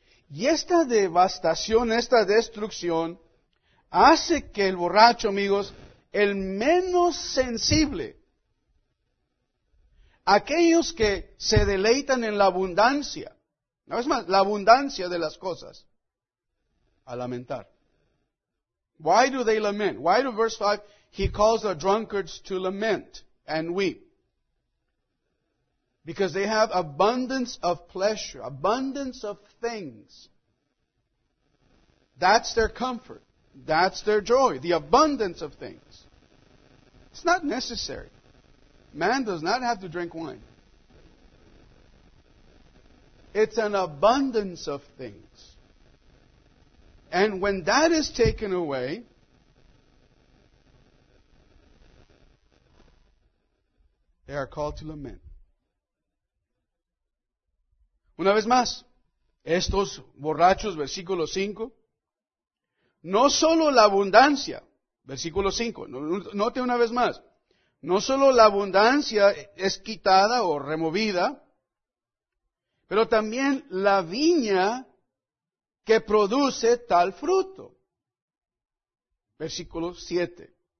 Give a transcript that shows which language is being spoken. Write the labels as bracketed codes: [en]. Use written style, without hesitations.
[es] Y esta devastación, esta destrucción, hace que el borracho, amigos, el menos sensible, aquellos que se deleitan en la abundancia, una vez más, la abundancia de las cosas, a lamentar. [en] Why do they lament? Why do verse 5, he calls the drunkards to lament and weep? Because they have abundance of pleasure, abundance of things. That's their comfort. That's their joy, the abundance of things. It's not necessary. Man does not have to drink wine. It's an abundance of things. And when that is taken away, they are called to lament. [es] Una vez más, estos borrachos, versículo 5, no solo la abundancia, versículo 5, note una vez más, no solo la abundancia es quitada o removida, pero también la viña que produce tal fruto. Versículo 7.